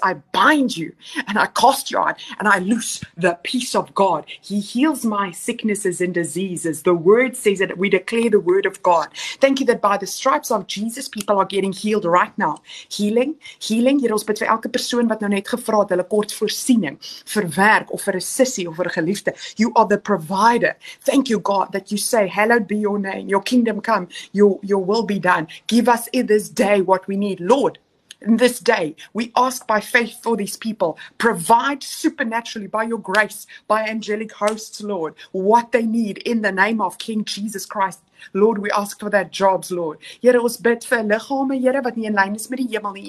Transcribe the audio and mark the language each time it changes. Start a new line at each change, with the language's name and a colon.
English: I bind you and I cast you out and I loose the peace of God. He heals my sicknesses and diseases. The word says that we declare the word of God. Thank you that by the stripes of Jesus people are getting healed right now.
Afrikaans: Healing, hier ons bid vir elke persoon wat nou net gevra het, hulle kort voorsiening vir werk of vir 'n sussie of vir 'n geliefde.
English: You are the provider. Thank you God that you say hallowed be your name, your kingdom come, your will be done. Give us in this day what we need, Lord. In this day, we ask by faith for these people. Provide supernaturally by your grace, by angelic hosts, Lord, what they need in the name of King Jesus Christ. Lord, we ask for that jobs, Lord.
Afrikaans: Here ons bid vir liggame, Here, wat nie in lyn is met die hemel nie.